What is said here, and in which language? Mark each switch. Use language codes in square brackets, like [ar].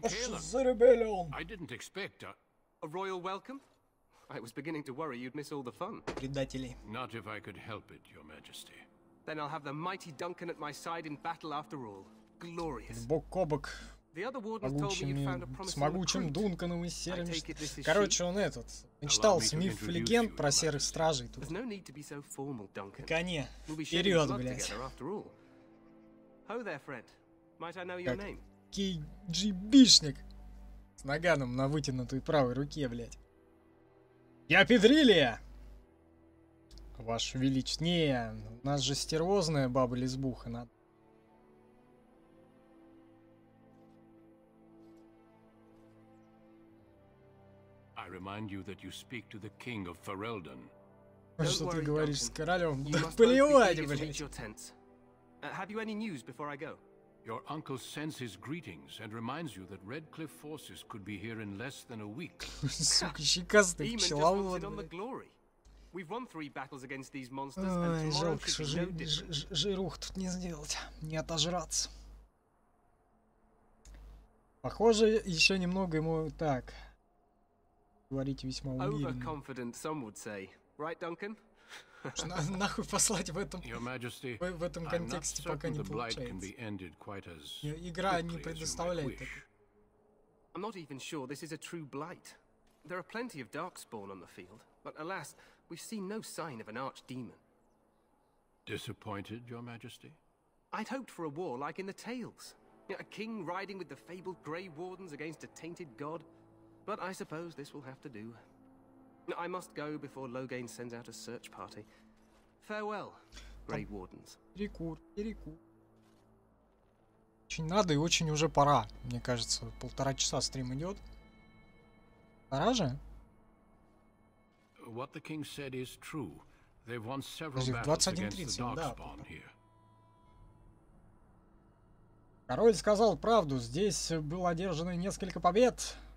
[en] Caelan, I didn't expect a royal welcome. I was beginning to worry you'd miss all the fun. [ru] Предатели. [en] Not if I could help it, Your Majesty. Then I'll have the mighty Duncan at my side in battle after all. Glorious. [ru] Бок о бок. [en] The other wardens told me you'd found a promising recruit. [ru] С могучим Дунканом и серым. Короче, он этот. Мечтал с миф легенд про серых стражей тут. [en] There's no need to be so formal, Duncan. [ru] Коне. Вперед, блядь. [en] Ho there, friend. Might I know your name? [ru] KGB-шник с наганом на вытянутой правой руке, блять. Я Педрилия, ваше величнее. У нас же стервозная баба лесбуха. [en] I remind you that you speak to the king of Ferelden. [ru] Что ты говоришь с королем? Да плевать, блять. [en] Have you any news before I go? Your uncle sends his greetings and reminds you that Redcliff forces could be here in less than a week. [ru] Сука, щекастый пчеловод. [en] We've won three battles against these monsters, and tomorrow should be no different. [ru] Жирух тут не сделать, не отожраться. Похоже, еще немного ему так. Говорите весьма уверенно. [en] Overconfident, some would say. Right, Duncan? [ru] Нахуй послать в этом, [en] Your Majesty, [ru] в этом контексте пока не получается. Игра не предоставляет. [en] I'm not even sure this is a true blight. There are plenty of darkspawn on the field, but alas, we've seen no sign of an archdemon. Disappointed, Your Majesty? I'd hoped for a war like in the tales. A king riding with the fabled Grey Wardens against a tainted god. But I suppose this will have to do. I must go before Loghain sends out a search party. Farewell, Grey Wardens. [ru] Перекур. Очень надо и очень уже пора, мне кажется. Полтора часа стрим идет. Пора же? [en] What the king said is true. They've won several battles against the Darkspawn here. [ru] Король сказал правду. Здесь было одержано несколько побед.